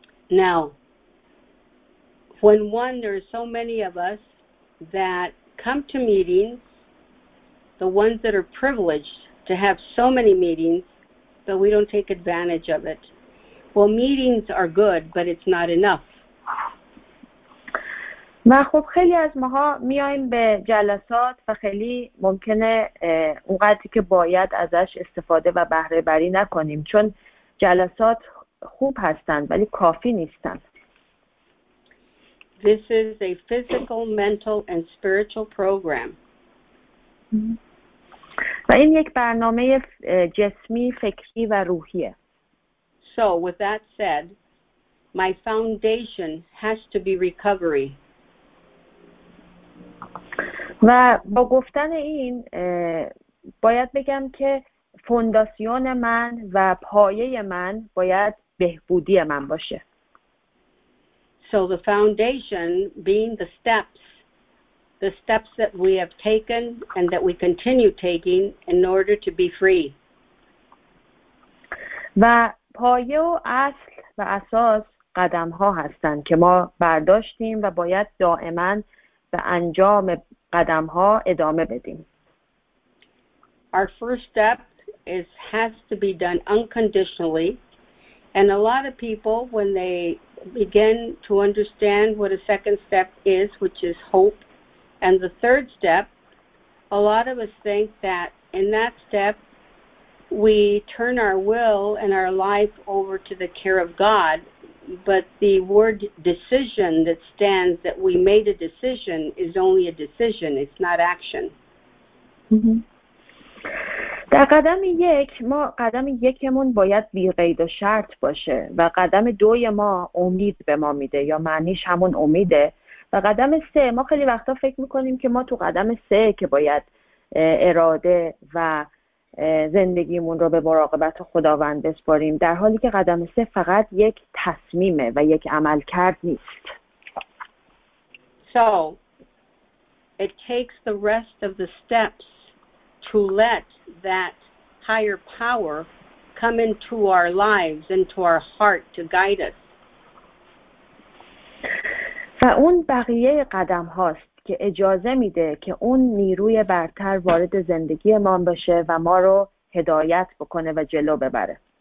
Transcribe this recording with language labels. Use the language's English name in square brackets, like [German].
[English] Now, when one, there are so many of us that come to meetings, the ones that are privileged to have so many meetings, but we don't take advantage of it. Well, meetings are good, but it's not enough. [Persian] ما خب خیلی از ماها میایم به جلسات و خیلی ممکنه اونقدری که باید ازش استفاده و بهره بری نکنیم، چون جلسات خوب هستند ولی کافی نیستند. [English] This is a physical, mental and spiritual program. [Persian] و این یک برنامه جسمی، فکری و روحیه. [English] So, with that said, my foundation has to be recovery. [Persian] و با گفتن این باید بگم که فونداسیون من و پایه من باید بهبودی من باشه. [English] So the foundation being the steps the steps that we have taken and that we continue taking in order to be free. [Persian] و پایه و اصل و اساس قدم ها هستند که ما برداشتیم و باید دائما به انجام قدم ها ادامه بدیم. [English] Our first step is has to be done unconditionally. And a lot of people, when they begin to understand what a second step is, which is hope, and the third step, a lot of us think that in that step, we turn our will and our life over to the care of God. But the word decision that stands, that we made a decision, is only a decision. It's not action. [Persian] در قدم یک ما قدم یکمون باید بی قید و شرط باشه و قدم دوی ما امید به ما میده یا معنیش همون امیده و قدم سه ما خیلی وقتا فکر میکنیم که ما تو قدم سه که باید اراده و زندگیمون رو به مراقبت خداوند بسپاریم در حالی که قدم سه فقط یک تصمیمه و یک عمل کرد نیست. [English] So it takes the rest of the steps to let that higher power come into our lives, into our heart, to guide us. [Persian] و اون بقیه قدم هاست که اجازه میده که اون نیروی برتر وارد زندگی ما بشه و ما رو هدایت بکنه و جلو ببره.